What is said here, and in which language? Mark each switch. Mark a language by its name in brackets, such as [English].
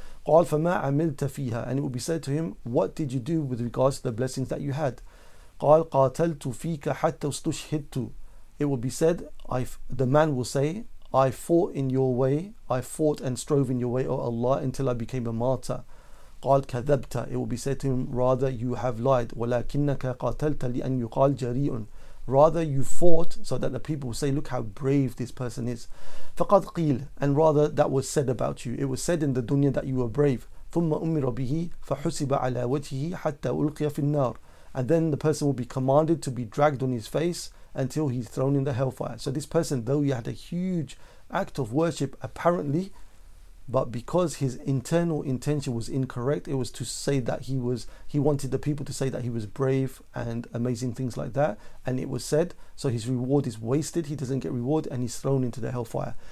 [Arabic] قَالْ فَمَا عَمِلْتَ فِيهَا, [English] and it will be said to him, "What did you do with regards to the blessings that you had?" [Arabic] قَالْ قَاتَلْتُ فِيكَ حَتَّى اسْتُشْهِدْتُ, [English] it will be said, the man will say, I fought in your way, I fought and strove in your way, O Allah, until I became a martyr. [Arabic] قال كذبت. [English] It will be said to him, rather you have lied. [Arabic] ولكنك قاتلت لأن يقال جريء. [English] Rather you fought so that the people will say, look how brave this person is. [Arabic] فقد قيل. [English] And rather that was said about you. It was said in the dunya that you were brave. [Arabic] ثم أمر به فحسب على وجهه حتى ألقي في النار. [English] And then the person will be commanded to be dragged on his face until he's thrown in the hellfire. So this person, though he had a huge act of worship apparently, but because his internal intention was incorrect, it was to say that he wanted the people to say that he was brave and amazing things like that, and it was said, so his reward is wasted, he doesn't get reward, and he's thrown into the hellfire.